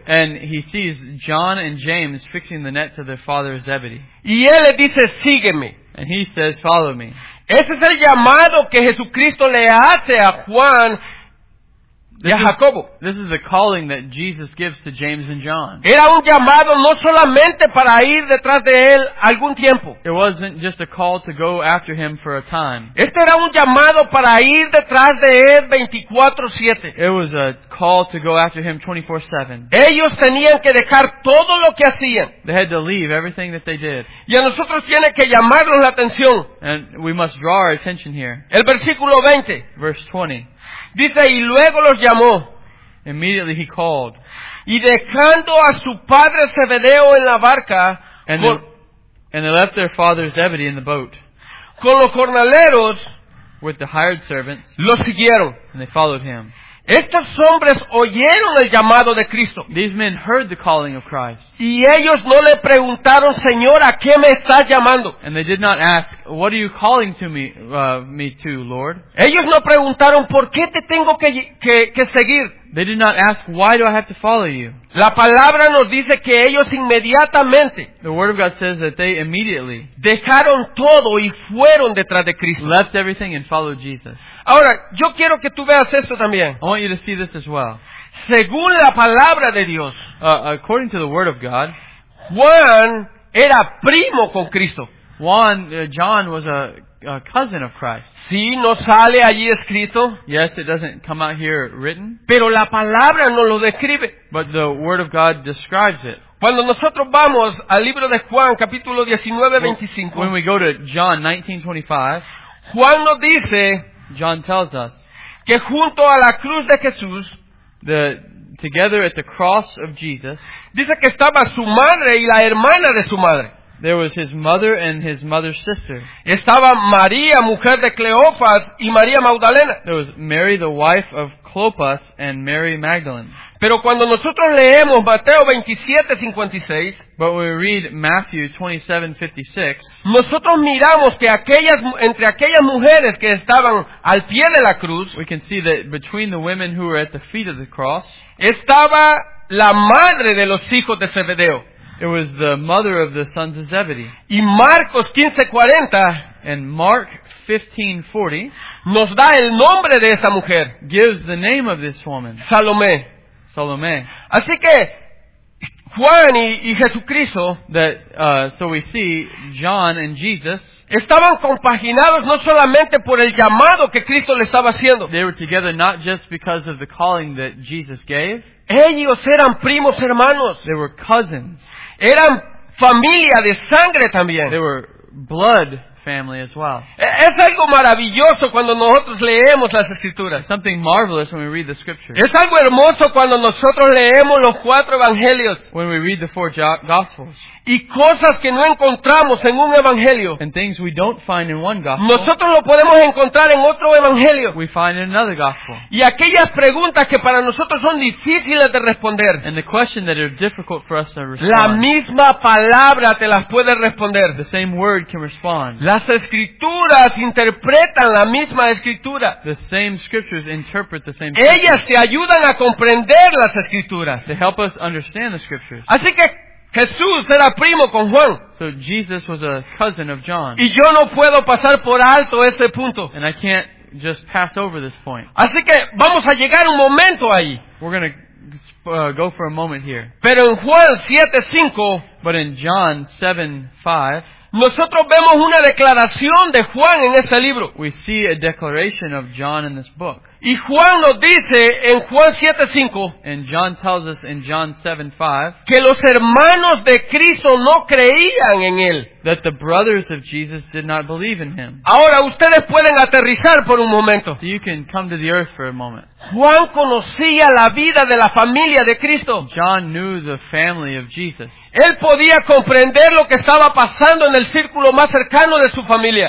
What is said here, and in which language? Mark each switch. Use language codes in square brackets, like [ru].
[en] And he sees John and James fixing the nets of their father Zebedee. [es] Y él le dice, sígueme. [en] And he says, follow me. [es] Ese es el llamado que Jesucristo le hace a Juan y a Jacobo. [en] This is the calling that Jesus gives to James and John. [es] Era un llamado no solamente para ir detrás de él algún tiempo. [en] It wasn't just a call to go after him for a time. [es] Este era un llamado para ir detrás de él 24/7. [en] It was a call to go after him 24/7. [es] Ellos tenían que dejar todo lo que hacían. [en] They had to leave everything that they did. [es] Y a nosotros tiene que llamarnos la atención. [en] And we must draw our attention here. [es] El versículo 20. [en] Verse 20. [es] Dice, y luego los llamó. [en] Immediately he called. [es] Y dejando a su padre Zebedeo en la barca. [en] And they left their father Zebedee in the boat. [es] Con los jornaleros. [en] With the hired servants. [es] Los siguieron. [en] And they followed him. [es] Estos hombres oyeron el llamado de Cristo. [en] These men heard the calling of Christ. [es] Y ellos no le preguntaron, Señor, ¿a qué me estás llamando? [en] And they did not ask, what are you calling to me to, Lord? [es] Ellos no preguntaron, ¿por qué te tengo que seguir? [en] They did not ask, why do I have to follow you? [es] La palabra nos dice que ellos inmediatamente, [en] the word of God says that they immediately, [es] dejaron todo y fueron detrás de Cristo. [en] Left everything and followed Jesus. [es] Ahora, yo quiero que tú veas esto también. [en] I want you to see this as well. [es] Según la palabra de Dios, [en] according to the word of God, [es] Juan era primo con Cristo. [en] John was a cousin of Christ. [es] Sí, no sale allí escrito. [en] Yes, it doesn't come out here written. [es] Pero la palabra no lo describe. [en] But the word of God describes it. [es] Cuando nosotros vamos al libro de Juan, capítulo 19:25. [en] When we go to John 19:25, [es] Juan nos dice, [en] John tells us, [es] que junto a la cruz de Jesús, [en] together at the cross of Jesus, [es] dice que estaba su madre y la hermana de su madre. [en] There was his mother and his mother's sister. [es] Estaba María, mujer de Cleofas, y María Magdalena. [en] There was Mary, the wife of Clopas, and Mary Magdalene. [es] Pero cuando nosotros leemos Mateo 27:56, [en] but when we read Matthew 27:56, [es] nosotros miramos que aquellas entre aquellas mujeres que estaban al pie de la cruz, [en] we can see that between the women who were at the feet of the cross, [es] estaba la madre de los hijos de Zebedeo. [en] It was the mother of the sons of Zebedee. [es] Y Marcos 15:40, [en] and Mark 15:40, [es] nos da el nombre de esa mujer. [en] Gives the name of this woman. [es] Salomé. [en] Salomé. [es] Así que Juan y Jesucristo, [en] so we see John and Jesus, [es] estaban compaginados no solamente por el llamado que Cristo le estaba haciendo. [en] They were together not just because of the calling that Jesus gave. [es] Ellos eran primos hermanos. [en] They were cousins. [es] Eran familia de sangre también. [en] They were blood family as well. [es] Es algo maravilloso cuando nosotros leemos las escrituras. [en] Something marvelous when we read the scriptures. [es] Es algo hermoso cuando nosotros leemos los cuatro evangelios. [en] When we read the four gospels. [es] Y cosas que no encontramos en un evangelio. [en] And things we don't find in one gospel. [es] Nosotros lo podemos encontrar en otro evangelio. [en] We find in another gospel. [es] Y aquellas preguntas que para nosotros son difíciles de responder. [en] And the question that are difficult for us to respond. [es] La misma palabra te las puede responder. [en] The same word can respond. [es] Las escrituras interpretan la misma escritura. [en] The same scriptures interpret the same. [es] Ellas te ayudan a comprender las escrituras. [en] They help us understand the scriptures. [es] Así que Jesús era primo con Juan. [en] So Jesus was a cousin of John. [es] Y yo no puedo pasar por alto este punto. [en] And I can't just pass over this point. [es] Así que vamos a llegar un momento ahí. [en] We're going to go for a moment here. [es] Pero en Juan 7:5, [en] but in John 7:5, [es] nosotros vemos una declaración de Juan en este libro. [en] We see a declaration of John in this book. [es] Y Juan nos dice en Juan 7:5, [en] and John tells us in John 7:5, [es] que los hermanos de Cristo no creían en él. [en] That the brothers of Jesus did not believe in him. [es] Ahora ustedes pueden aterrizar por un momento. [en] So you can come to the earth for a moment. [es] Juan conocía la vida de la familia de Cristo. [en] John knew the family of Jesus. [es] Él podía comprender lo que estaba pasando en el círculo más cercano de su familia.